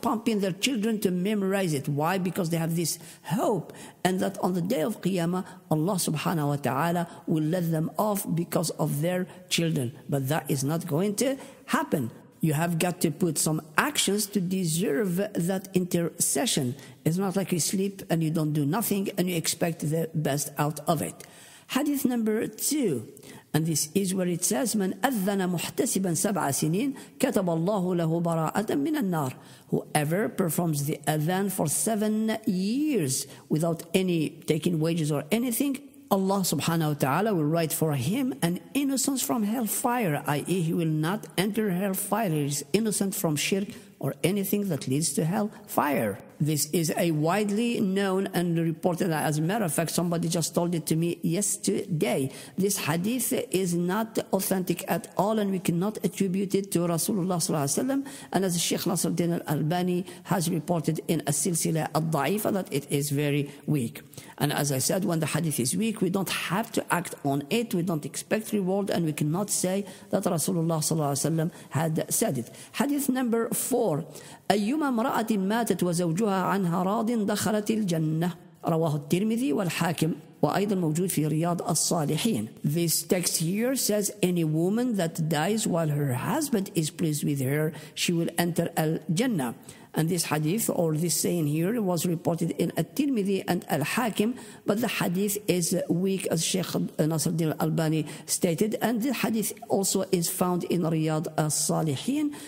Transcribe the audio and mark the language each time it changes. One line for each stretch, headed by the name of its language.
English: Pumping their children to memorize it. Why? Because they have this hope, and that on the day of Qiyamah, Allah subhanahu wa ta'ala will let them off because of their children. But that is not going to happen. You have got to put some actions to deserve that intercession. It's not like you sleep and you don't do nothing and you expect the best out of it. Hadith number 2. And this is where it says,
Arabic: من أذن محتسبا سبع سنين كتب الله له براءة من النار.
English: Whoever performs the adhan for 7 years without any taking wages or anything, Allah subhanahu wa ta'ala will write for him an innocence from hellfire, i.e. he will not enter hellfire. He is innocent from shirk or anything that leads to hellfire. This is a widely known and reported, as a matter of fact, somebody just told it to me yesterday. This hadith is not authentic at all, and we cannot attribute it to Rasulullah sallallahu alayhi wa sallam. And as Sheikh Nasruddin al-Albani has reported in As-Silsila al-Da'ifa, that it is very weak. And as I said, when the hadith is weak, we don't have to act on it, we don't expect reward, and we cannot say that Rasulullah sallallahu alayhi wa sallam had said it. Hadith number 4.
Arabic: أيما امرأة ماتت وزوجها عنها راض دخلت الجنة رواه الترمذي والحاكم وأيضا موجود في رياض الصالحين.
English: This text here says any woman that dies while her husband is pleased with her, she will enter al-Jannah. And this hadith or this saying here was reported in al-Tirmidhi and al-Hakim, but the hadith is weak, as Sheikh Nasruddin al-Albani stated, and the hadith also is found in Riyad al-Salihin.